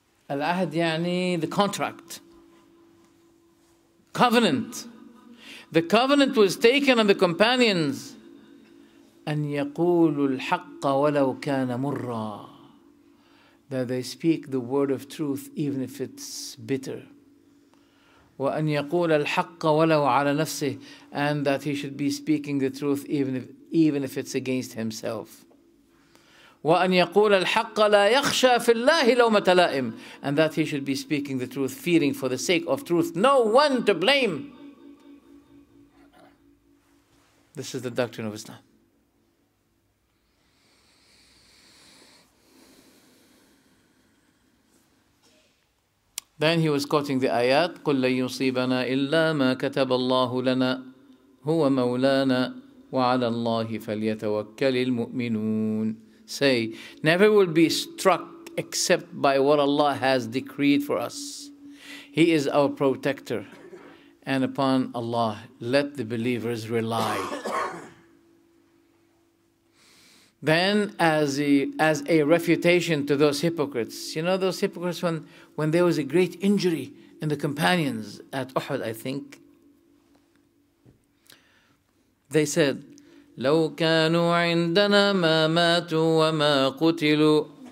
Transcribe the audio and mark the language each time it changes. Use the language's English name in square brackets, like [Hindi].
[English] Al-ahd yani the contract, covenant. The covenant was taken on the companions. [Arabic] أن يقول الحق ولو كان مرا. [English] That they speak the word of truth even if it's bitter. [Arabic] وأن يقول الحق ولو على نفسه. [English] And that he should be speaking the truth even if it's against himself. [Arabic] وأن يقول الحق لا يخشى في الله لومة لائم. [English] And that he should be speaking the truth, fearing for the sake of truth, no one to blame. This is the doctrine of Islam. Then he was quoting the ayat, [Arabic] قُلْ لَنْ يُصِيبَنَا إِلَّا مَا كَتَبَ اللَّهُ لَنَا هُوَ مَوْلَانَا وَعَلَى اللَّهِ فَلْيَتَوَكَّلِ الْمُؤْمِنُونَ. [English] Say, never will be struck except by what Allah has decreed for us. He is our protector. And upon Allah, let the believers rely. Then as a refutation to those hypocrites, you know those hypocrites when there was a great injury in the companions at Uhud, I think, they said, [Arabic] لو كانوا عندنا ما ماتوا وما قتلوا.